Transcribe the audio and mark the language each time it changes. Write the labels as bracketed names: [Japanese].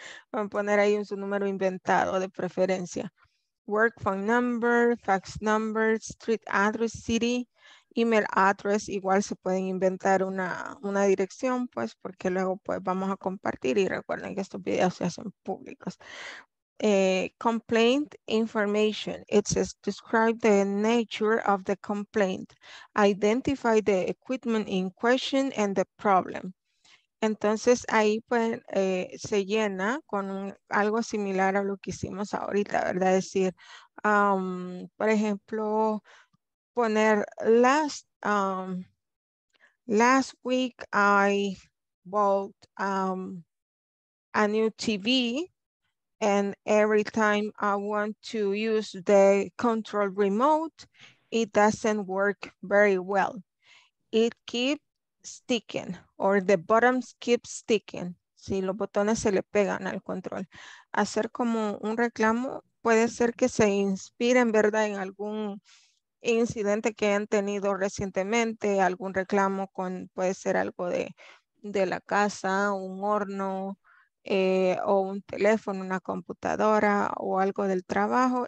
[Spanish] Van a poner ahí su número inventado de preferencia. [English] Work phone number, fax number, street address, city, email address. [Spanish] Igual se pueden inventar una dirección, pues, porque luego pues vamos a compartir. Y recuerden que estos videos se hacen públicos. [English] Complaint information. It says describe the nature of the complaint. Identify the equipment in question and the problem. [Spanish] Entonces ahí pues se llena con algo similar a lo que hicimos ahorita, ¿verdad? Es decir, por ejemplo, poner [English] last week I bought a new TV. And every time I want to use the control remote, it doesn't work very well. It keeps sticking, or the buttons keep sticking. [Spanish] Sí, los botones se le pegan al control. Hacer como un reclamo puede ser que se inspiren, ¿verdad?, en algún incidente que han tenido recientemente, algún reclamo con, puede ser algo de la casa, un horno, o un teléfono, una computadora o algo del trabajo.